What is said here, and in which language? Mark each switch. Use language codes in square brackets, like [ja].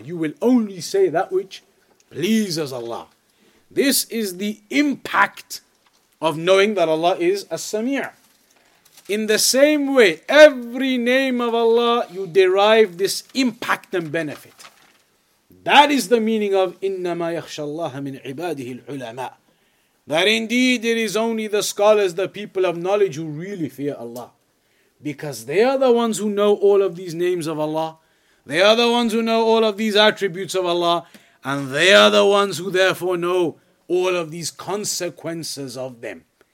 [en] You will only say that which pleases Allah. This is the impact of knowing that Allah is As-Sami'. In the same way, every name of Allah, you derive this impact and benefit. That is the meaning of [ar] إِنَّمَا يَخْشَى اللَّهَ مِنْ عِبَادِهِ الْعُلَمَاءِ. [en] That indeed it is only the scholars, the people of knowledge who really fear Allah. Because they are the ones who know all of these names of Allah. They are the ones who know all of these attributes of Allah. And they are the ones who therefore know all of these consequences of them.